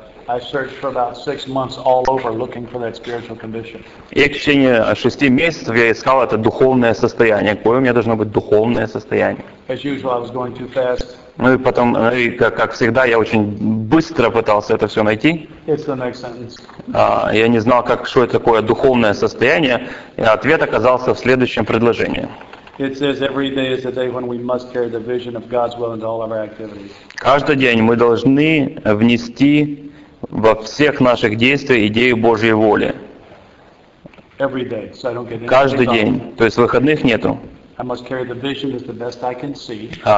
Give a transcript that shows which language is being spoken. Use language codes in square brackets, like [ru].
[en] I searched for about 6 months all over looking for that spiritual condition. [ru] И в течение 6 месяцев я искал это духовное состояние. Какое у меня должно быть духовное состояние? [en] As usual, I was going too fast. [ru] Ну и потом, как всегда, я очень быстро пытался это все найти. [en] It's the next sentence. [ru] Я не знал, как что это такое духовное состояние, и ответ оказался в следующем предложении. [en] It says every day is a day when we must carry the vision of God's will into all of our activities. [ru] Каждый день мы должны внести во всех наших действиях идею Божьей воли. [en] Every day, so I don't get anything. [ru] Каждый день, то есть выходных нету. [en] I must carry the vision as the best I can see.